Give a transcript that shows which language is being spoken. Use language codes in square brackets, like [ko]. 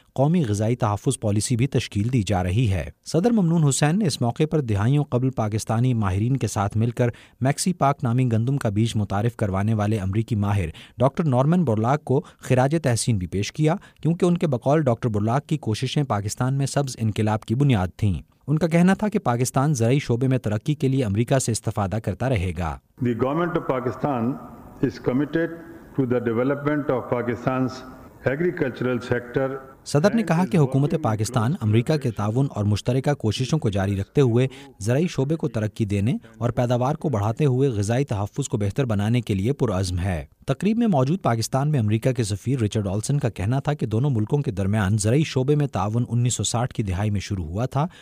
[ur] قومی غذائی تحفظ پالیسی بھی تشکیل دی جا رہی ہے۔ صدر ممنون حسین نے اس موقع پر دہائیوں قبل پاکستانی ماہرین کے ساتھ مل کر میکسی پاک نامی گندم کا بیج متعارف کروانے والے امریکی ماہر ڈاکٹر نارمن برلاک کو خراج تحسین بھی پیش کیا، کیونکہ ان کے بقول ڈاکٹر برلاک کی کوششیں پاکستان میں سبز انقلاب کی بنیاد تھیں۔ ان کا کہنا تھا کہ پاکستان زرعی شعبے میں ترقی کے لیے امریکہ سے استفادہ کرتا رہے گا۔ [en] The government of Pakistan is committed to the development of Pakistan's agricultural sector. [ur] صدر نے کہا کہ حکومت پاکستان امریکہ کے تعاون اور مشترکہ کوششوں کو جاری رکھتے ہوئے زرعی شعبے کو ترقی دینے اور پیداوار کو بڑھاتے ہوئے غذائی تحفظ کو بہتر بنانے کے لیے پرعزم ہے۔ تقریب میں موجود پاکستان میں امریکہ کے سفیر رچرڈ آلسن کا کہنا تھا کہ دونوں ملکوں کے درمیان زرعی شعبے میں تعاون 1960 کی دہائی میں شروع ہوا تھا،